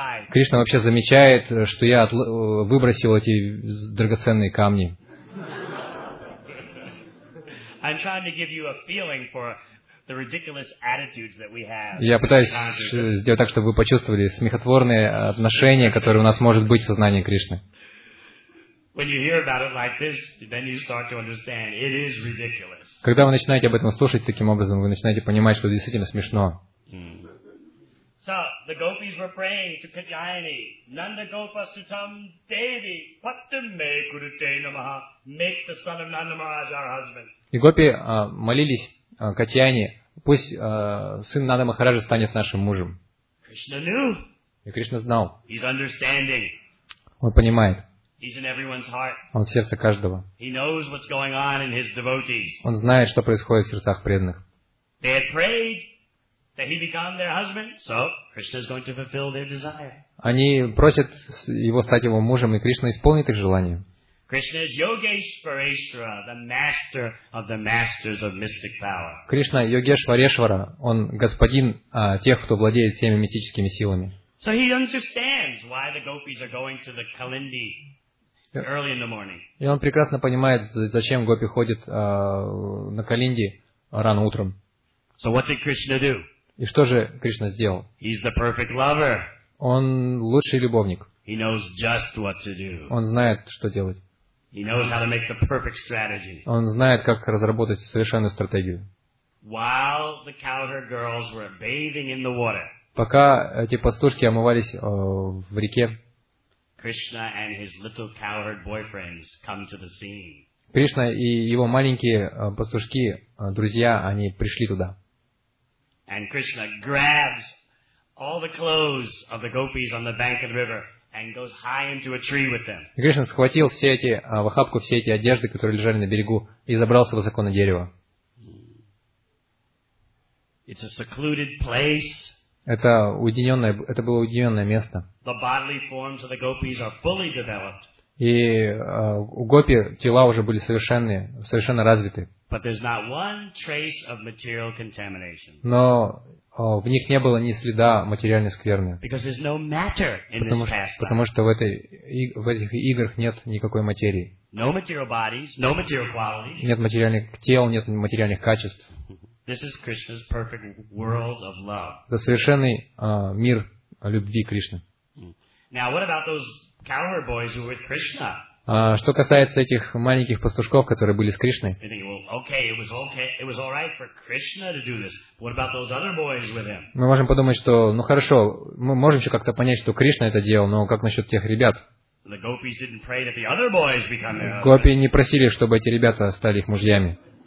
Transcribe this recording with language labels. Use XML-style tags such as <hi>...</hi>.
<ru>Кришна вообще замечает, что я выбросил эти драгоценные камни.</ru> <en>I'm trying to give you a feeling for the ridiculous attitudes that we have.</en> <ru>Я пытаюсь сделать так, чтобы вы почувствовали смехотворные отношения, которые у нас может быть в сознании Кришны.</ru> <en>When you hear about it like this, then you start to understand it is ridiculous.</en> <ru>Когда вы начинаете об этом слушать таким образом, вы начинаете понимать, что действительно смешно.</ru> <en>So the gopis were praying to Katyayani,</en> <sa>Nanda Gopasutam Devi, Patame Kurute Namaha,</sa> <en>make the son of Nanda Maharaj our husband.</en> <ru>И гопи молились Катьяне, пусть сын Нанда Махараджа станет нашим мужем.</ru> <en>Krishna knew.</en> <ru>И Кришна знал.</ru> <en>He's understanding.</en> <ru>Он понимает.</ru> <en>He's in everyone's heart.</en> <ru>Он в сердце каждого.</ru> <en>He knows what's going on in his devotees.</en> <ru>Он знает, что происходит в сердцах преданных.</ru> <en>They had prayed that he become their husband, so Krishna is going to fulfill their desire.</en> <ru>Они просят его стать его мужем, и Кришна исполнит их желание.</ru> <en>Krishna is Yogeshvareshvara, the master of the masters of mystic power.</en> <ru>Кришна Йогешвареshvara, он господин тех, кто владеет всеми мистическими силами.</ru> <en>So he understands why the gopis are going to the Kalindi early in the morning.</en> <ru>И он прекрасно понимает, зачем гопи ходят на Калинди рано утром.</ru> <en>So what did Krishna do?</en> <ru>И что же Кришна сделал?</ru> <en>He's the perfect lover.</en> <ru>Он лучший любовник.</ru> <en>He knows just what to do.</en> <ru>Он знает, что делать.</ru> <en>He knows how to make the perfect strategy.</en> <ru>Он знает, как разработать совершенную стратегию.</ru> <en>While the cowherd girls were bathing in the water.</en> <ru>Пока эти пастушки омывались в реке.</ru> <en>Krishna and his little cowherd boyfriends come to the scene.</en> <ru>Кришна и его маленькие пастушки, друзья, они пришли туда.</ru> <en>And Krishna grabs all the clothes of the gopis on the bank of the river and goes high into a tree with them.</en> <ru>Кришна схватил все эти в охапку все эти одежды, которые лежали на берегу, и забрался высоко на дерево.</ru> <en>It's a secluded place.</en> <ru>Это было уединенное место.</ru> <en>The bodily forms of the gopis are fully developed.</en> <ru>И у гопи тела уже были совершенно развиты.</ru> <en>But there's not one trace of material contamination.</en> <ru>Но в них не было ни следа материальной скверны.</ru> <en>Because there's no matter in this pastime.</en> <ru>Потому что в этих играх нет никакой материи.</ru> <en>No material bodies, no material qualities.</en> <ru>Нет материальных тел, нет материальных качеств.</ru> <en>This is Krishna's perfect world of love.</en> <ru>Это совершенный мир любви Кришны.</ru> <en>Now what about those cowherd boys who were with Krishna?</en> <ru>Что касается этих маленьких пастушков, которые были с Кришной.</ru> <en>Thinking, well, okay, it was okay, it was all right for Krishna to do this. What about those other boys with him?</en> <ru>Мы можем подумать, что, ну хорошо, мы можем еще как-то понять, что Кришна это делал, но как насчет тех ребят?</ru> <en>The gopis didn't pray that the other boys become their husbands.</en> <ru>Гопи не просили, чтобы эти ребята стали их мужьями.</ru>